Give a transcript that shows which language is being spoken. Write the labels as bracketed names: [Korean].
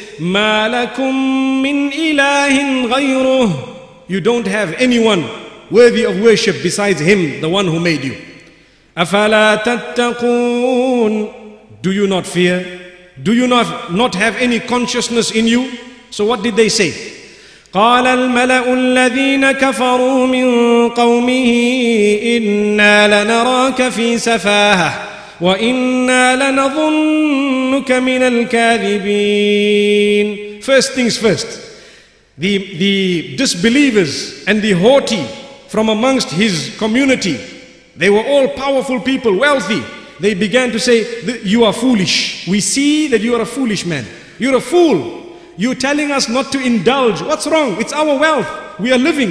[Arabic] مَا لَكُم مِّن إِلَٰهٍ غَيْرُهُ. [English] You don't have anyone worthy of worship besides him, the one who made you. [Arabic] أَفَلَا تَتَّقُونَ. [English] Do you not fear? Do you not have any consciousness in you? So what did they say? [Arabic] قال الملأ الذين كفروا من قومه إنا لنراك في سفاهة وإنا لنظنك من الكاذبين. [English] First things first, the disbelievers and the haughty from amongst his community, they were all powerful people, wealthy. They began to say, you are foolish. We see that you are a foolish man. You're a fool. You're telling us not to indulge. What's wrong? It's our wealth. We are living.